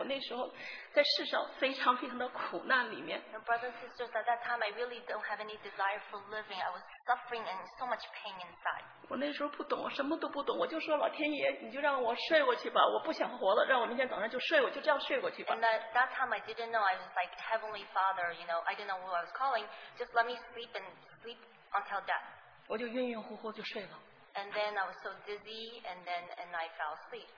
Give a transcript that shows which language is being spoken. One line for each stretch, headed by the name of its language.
Chinese: 可是弟兄姊妹们，你知道当时的时候，我那时候真的不想活。我那时候在世上非常非常的苦难里面。
English: My brothers and sisters, at that time, I really don't have any desire for living. I was suffering and so much pain inside.
Chinese: 我那时候不懂，我什么都不懂，我就说老天爷，你就让我睡过去吧，我不想活了，让我明天早上就睡，我就这样睡过去吧。
English: And that time I didn't know, I was like, Heavenly Father, you know, I didn't know who I was calling, just let me sleep and sleep until death.
Chinese: 我就晕晕乎乎就睡了。
English: And then I was so dizzy, and I fell asleep.